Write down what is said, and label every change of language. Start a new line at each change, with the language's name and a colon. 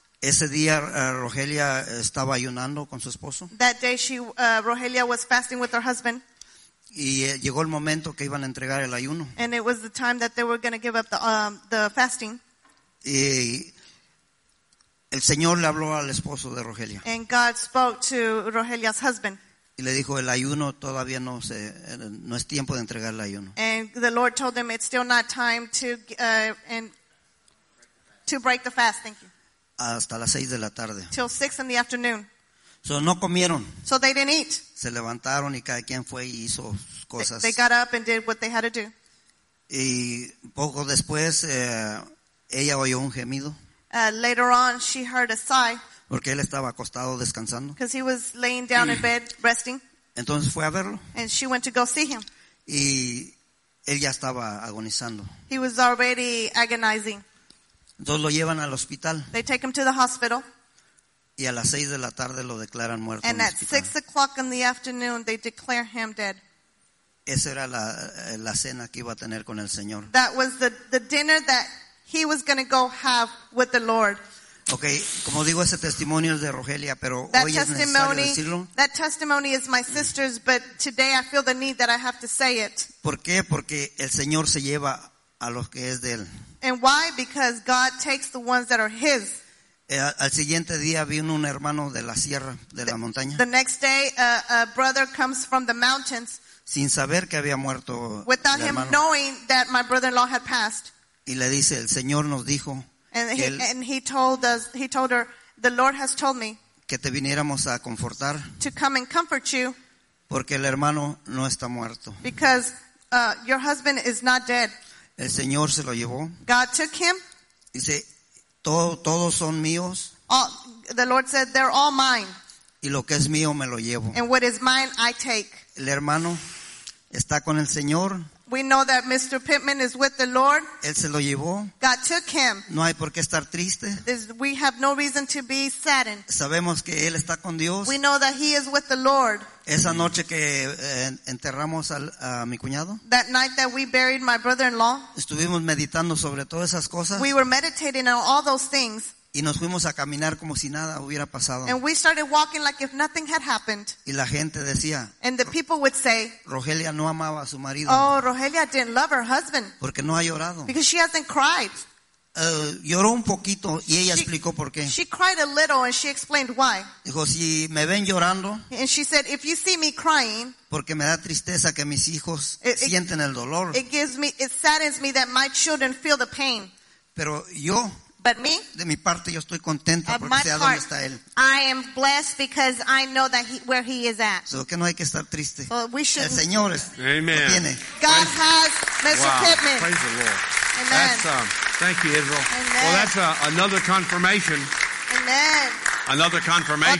Spanish: Ese día Rogelia estaba ayunando con su esposo.
English: That day Rogelia was fasting with her husband.
Spanish: Y llegó el momento que iban a entregar el ayuno.
English: And it was the time that they were going to give up the fasting.
Spanish: Y el Señor le habló al esposo de Rogelia.
English: And God spoke to Rogelia's husband.
Spanish: Y le dijo, el ayuno todavía no es tiempo de entregar el ayuno.
English: And the Lord told them it's still not time to break the fast. Thank you.
Spanish: Hasta las 6 de la tarde.
English: Till 6 in the afternoon.
Spanish: So no comieron.
English: So they didn't eat.
Spanish: Se levantaron y cada quien fue y hizo cosas.
English: They got up and did what they had to do.
Spanish: Y poco después ella oyó un gemido.
English: Later on, she heard a sigh.
Spanish: Porque él estaba acostado descansando.
English: Because he was laying down in bed, resting.
Spanish: Entonces fue a verlo.
English: And she went to go see him.
Spanish: Y él ya estaba agonizando.
English: He was already agonizing.
Spanish: Entonces lo llevan al hospital.
English: They take him to the hospital.
Spanish: Y a las 6 de la tarde lo declaran muerto.
English: And at 6 o'clock in the afternoon, they declare him dead.
Spanish: Esa era la cena que iba a tener con el Señor.
English: That was the dinner that he was going to go have with the Lord.
Spanish: Okay, como digo, ese testimonio es de Rogelia, pero
English: that
Spanish: hoy testimony, es necesario decirlo.
English: That testimony is my sister's, but today I feel the need that I have to say it.
Spanish: ¿Por qué? Porque el Señor se lleva a los que es de él.
English: And why? Because God takes the ones that are his.
Spanish: Al siguiente día vino un hermano de la sierra, de la montaña.
English: The next day, a brother comes from the mountains.
Spanish: Sin saber que había muerto el hermano.
English: Without him knowing that my brother-in-law had passed.
Spanish: Y le dice, el Señor nos dijo
English: and he told her, the Lord has told me
Spanish: que te viniéramos a confortar.
English: To come and comfort you.
Spanish: Porque el hermano no está muerto.
English: Because your husband is not dead.
Spanish: El Señor se lo llevó.
English: God took him.
Spanish: Dice, todos son míos.
English: The Lord said, they're all mine.
Spanish: Y lo que es mío me lo llevo.
English: And what is mine, I take.
Spanish: El hermano está con el Señor.
English: We know that Mr. Pittman is with the Lord.
Spanish: Él se lo llevó.
English: God took him.
Spanish: No hay por qué estar triste.
English: We have no reason to be saddened.
Spanish: Sabemos que él está con Dios.
English: We know that he is with the Lord.
Spanish: Esa noche que enterramos a mi cuñado.
English: That night that we buried my brother-in-law.
Spanish: Estuvimos meditando sobre todas esas cosas.
English: We were meditating on all those things.
Spanish: Y nos fuimos a caminar como si nada hubiera pasado.
English: And we started walking like if nothing had happened.
Spanish: Y la gente decía,
English: and the people would say,
Spanish: Rogelia no amaba a su marido.
English: Oh, Rogelia didn't love her husband.
Spanish: Porque no ha llorado.
English: Because she hasn't cried.
Spanish: Lloró un poquito y ella explicó por qué.
English: She cried a little and she explained why.
Spanish: Dijo, si me ven llorando,
English: and she said, if you see me crying,
Spanish: porque me da tristeza que mis hijos sienten el dolor.
English: It saddens me that my children feel the pain.
Spanish: Pero yo,
English: but me,
Spanish: de mi parte, yo estoy contenta porque sé a dónde está él.
English: I am blessed because I know that where he is at.
Spanish: So que no hay que estar triste.
English: Well, we shouldn't.
Spanish: El Señor es.
English: Amen.
Spanish: Tiene.
English: God has Mr. Wow. Pittman. Praise the Lord. Amen. That's, thank you, Israel. Amen. Well, that's another confirmation. Amen. Another confirmation.